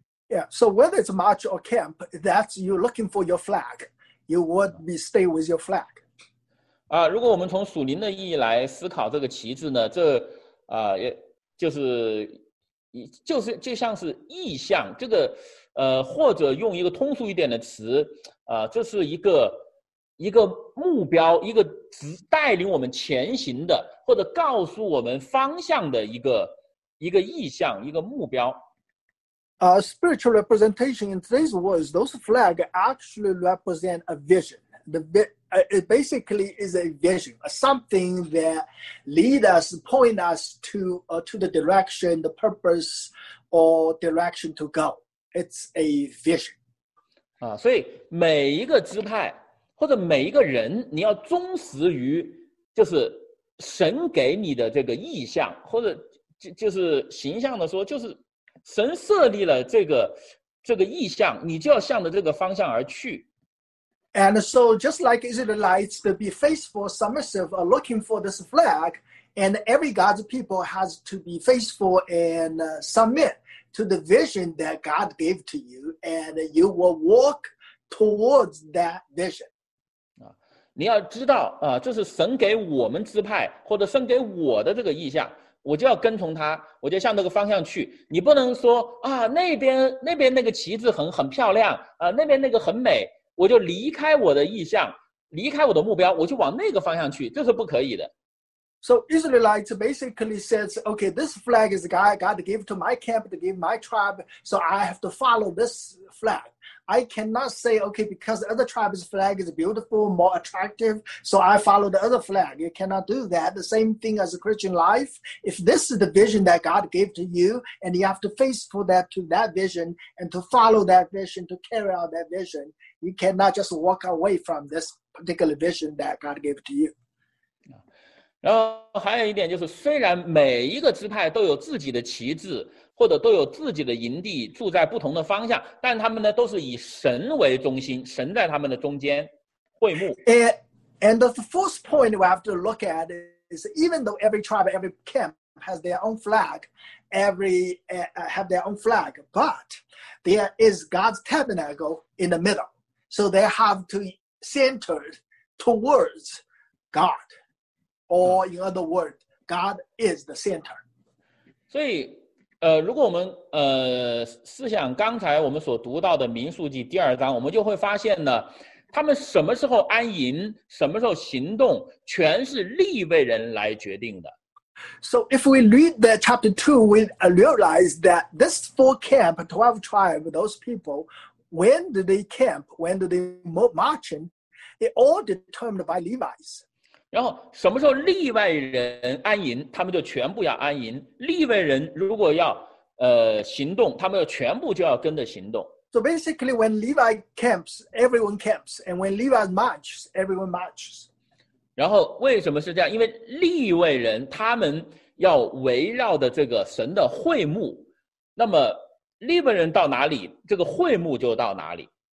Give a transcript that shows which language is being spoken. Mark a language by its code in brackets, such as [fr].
[en] Yeah, so whether it's march or camp, that's you're looking for your flag. You would be stay with your flag. [zh] 如果我们从属灵的意义来思考这个旗帜呢，这也就是就像是意象，这个或者用一个通俗一点的词，这是一个目标，一个指带领我们前行的，或者告诉我们方向的一个意象，一个目标。 [en] Spiritual representation in today's words, those flags actually represent a vision. It basically is a vision, something that leads us, point us to the direction, the purpose or direction to go. It's a vision. [zh] 所以每一个支派或者每一个人，你要忠实于就是神给你的这个意象，或者就是形象的说，就是神设立了这个意向，你就要向着这个方向而去。 [en] And so, just like Israelites to be faithful, submissive, or looking for this flag, and every God's people has to be faithful and submit to the vision that God gave to you, and you will walk towards that vision. [zh] 你要知道这是神给我们支派或者神给我的这个意向。我就要跟从他，我就向那个方向去。你不能说那边那个旗帜很漂亮那边那个很美，我就离开我的意向，离开我的目标，我就往那个方向去，这是不可以的。 [en] So Israelite basically says, okay, this flag is God gave to my camp, to give my tribe, so I have to follow this flag. I cannot say, okay, because the other tribe's flag is beautiful, more attractive, so I follow the other flag. You cannot do that. The same thing as a Christian life. If this is the vision that God gave to you, and you have to faithful to that vision, and to follow that vision, to carry out that vision, you cannot just walk away from this particular vision that God gave to you. [zh] 然后还有一点就是，虽然每一个支派都有自己的旗帜，或者都有自己的营地，住在不同的方向，但他们呢都是以神为中心，神在他们的中间会幕。 [en] And the first point we have to look at is even though every tribe, every camp has their own flag, have their own flag, but there is God's tabernacle in the middle, so they have to center towards God. Or in other words, God is the center. [zh] 所以，如果我们思想刚才我们所读到的《民数记》第二章，我们就会发现呢，他们什么时候安营，什么时候行动，全是立位人来决定的。 [en] So if we read the chapter 2, we realize that this four camp, 12 tribe, those people, when did they camp, when did they march in, it all determined by Levites. [zh] 然后什么时候利外人安营，他们就全部要安营。利外人如果要行动，他们全部就要跟着行动。 [en] So basically, when Levi camps, everyone camps. And when Levi marches, everyone marches. [zh] 然后为什么是这样？因为利未人他们要围绕的这个神的会幕，那么利未人到哪里，这个会幕就到哪里。